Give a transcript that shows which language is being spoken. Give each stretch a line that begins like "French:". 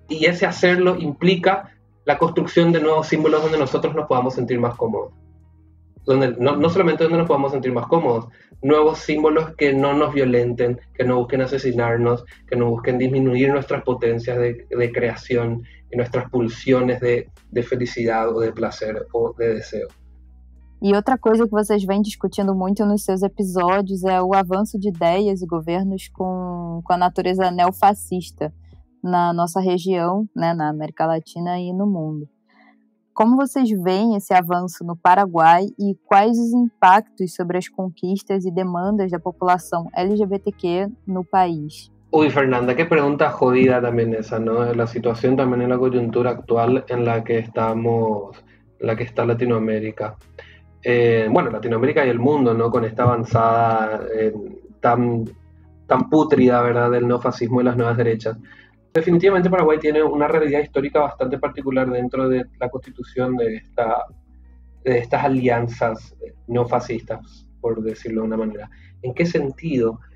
Spanish: Y ese hacerlo implica la construcción de nuevos símbolos donde nosotros nos podamos sentir más cómodos. No solamente donde nos podamos sentir más cómodos, nuevos símbolos que no nos violenten, que no busquen asesinarnos, que no busquen disminuir nuestras potencias de creación y nuestras pulsiones de felicidad o de placer o de deseo.
Portuguese: E outra coisa que vocês vêm discutindo muito nos seus episódios é o avanço de ideias e governos com a natureza neofascista na nossa região, né, na América Latina e no mundo. Como vocês veem esse avanço no Paraguai e quais os impactos sobre as conquistas e demandas da população LGBTQ no país?
Spanish: Uy, Fernanda, qué pregunta jodida también esa, ¿no? La situación también en la coyuntura actual en la que estamos, la que está Latinoamérica. Bueno, Latinoamérica y el mundo, ¿no? Con esta avanzada tan pútrida, ¿verdad? Del neofascismo y las nuevas derechas. Definitivamente Paraguay tiene una realidad histórica bastante particular dentro de la constitución de estas alianzas neofascistas, por decirlo de una manera. ¿En qué sentido?